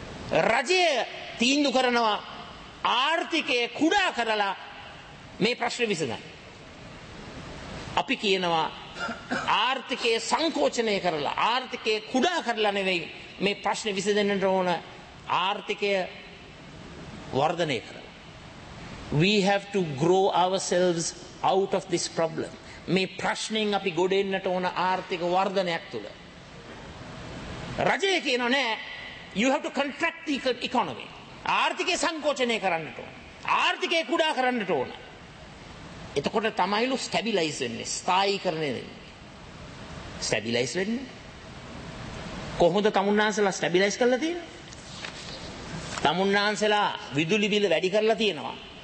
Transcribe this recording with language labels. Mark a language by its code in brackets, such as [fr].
[si] රජය තීන්දුව කරනවා ආර්ථිකය කුඩා කරලා මේ ප්‍රශ්නේ විසඳන්න. අපි කියනවා ආර්ථිකය සංකෝචනය කරලා, ආර්ථිකය කුඩා කරලා නෙවෙයි මේ ප්‍රශ්නේ විසඳෙන්න ඕන, ආර්ථිකය වර්ධනය කරලා. [en] We have to grow ourselves out of this problem. [si] මේ ප්‍රශ්නෙන් අපි ගොඩෙන්නට ඕන ආර්ථික වර්ධනයක් තුල. රජය කියනවා නෑ, [en] you have to contract the economy. [si] ආර්ථිකය සංකෝචනය කරන්නට ඕන. ආර්ථිකය කුඩා කරන්නට ඕන. එතකොට තමයිලු ස්ටැබිලයිස් වෙන්නේ, ස්ථායී කරන්නේ. ස්ටැබිලයිස් වෙන්නේ කොහොමද? තමුන්නාන්සලා ස්ටැබිලයිස් කරලා තියෙනවා. තමුන්නාන්සලා විදුලි බිල වැඩි කරලා තියෙනවා.